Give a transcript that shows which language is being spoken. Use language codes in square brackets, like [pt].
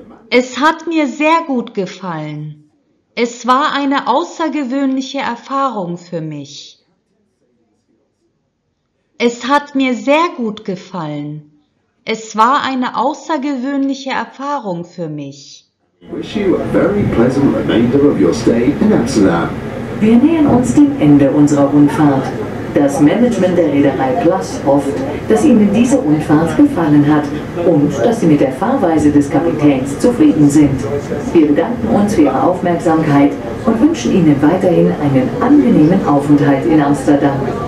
[de] Es hat mir sehr gut gefallen. Es war eine außergewöhnliche Erfahrung für mich. Es hat mir sehr gut gefallen. Es war eine außergewöhnliche Erfahrung für mich. [en] Wish you a very pleasant remainder of your stay in Amsterdam. [de] Wir nähern uns dem Ende unserer Rundfahrt. Das Management der Reederei Plus hofft, dass Ihnen diese Rundfahrt gefallen hat und dass Sie mit der Fahrweise des Kapitäns zufrieden sind. Wir bedanken uns für Ihre Aufmerksamkeit und wünschen Ihnen weiterhin einen angenehmen Aufenthalt in Amsterdam.